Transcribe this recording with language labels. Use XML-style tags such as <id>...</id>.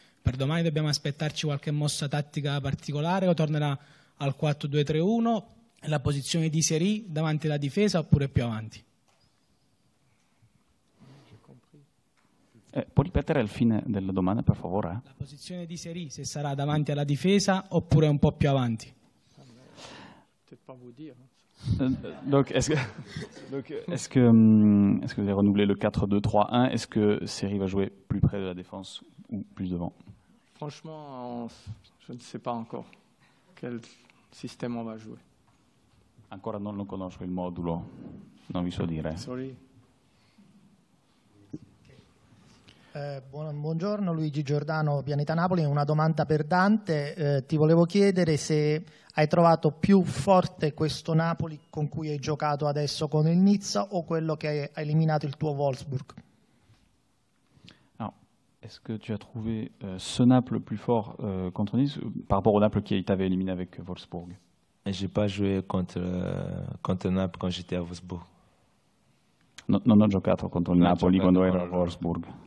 <it>Per domani dobbiamo aspettarci qualche mossa tattica particolare o tornerà al 4-2-3-1? La posizione di Seri davanti alla difesa oppure più avanti? Puoi ripetere al fine della domanda, per favore? La posizione di Seri, se sarà davanti alla difesa oppure un po' più avanti?</it> <fr>Est-ce que vous avez renouvelé le 4-2-3-1? Est-ce que Seri va jouer plus près de la défense ou plus devant? Franchement, je ne sais pas encore quel système on va jouer.</fr> <it>Ancora non lo conosco il modulo, non vi so dire.</it> <en>Sorry.</en> <it>Buongiorno, Luigi Giordano, Pianeta Napoli. Una domanda per Dante. Ti volevo chiedere se hai trovato più forte questo Napoli con cui hai giocato adesso con il Nizza o quello che ha eliminato il tuo Wolfsburg?</it> <fr>Alors, est-ce que tu as trouvé ce Naples plus fort contre Nice par rapport au Naples qui t'avait éliminé avec Wolfsburg? J'ai pas joué contre Naples quand j'étais à Wolfsburg.</fr> <it>No, non ho giocato contre non Napoli quando ero a Wolfsburg.</it>